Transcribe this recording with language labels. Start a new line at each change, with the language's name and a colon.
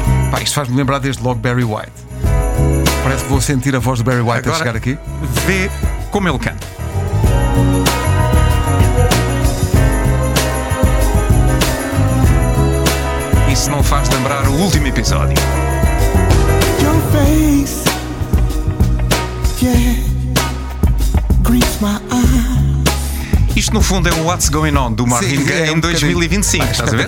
Portuguese: Pá, isto faz-me lembrar desde logo Barry White. Parece que vou sentir a voz do Barry White agora, a chegar aqui. Vê como ele canta. Isso não faz lembrar o último episódio.
English: Your face, yeah, greets my eyes.
Portuguese: Isto no fundo é o What's Going On do Marvin Gaye em 2025, estás a ver?